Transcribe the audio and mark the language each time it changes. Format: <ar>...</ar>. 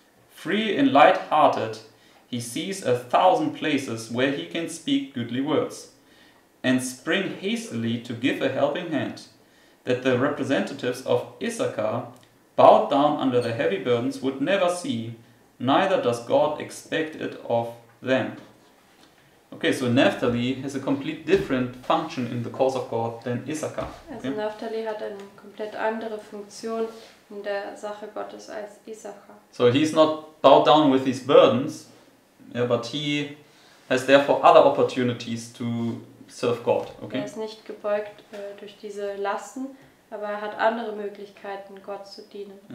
<en>Free and light-hearted, he sees a thousand places where he can speak goodly words, and spring hastily to give a helping hand, that the representatives of Issachar, bowed down under the heavy burdens, would never see, neither does God expect it of them. Okay, so Naphtali has a complete different function in the cause of God than Issachar. Okay?</en> <de>Also Naphtali hat eine komplett andere Funktion in der Sache Gottes als Issachar.</de> <en>So he's not bowed down with these burdens, yeah, but he has therefore other opportunities to serve God. Okay?</en> <de>Er ist nicht gebeugt durch diese Lasten, aber er hat andere Möglichkeiten, Gott zu dienen.</de>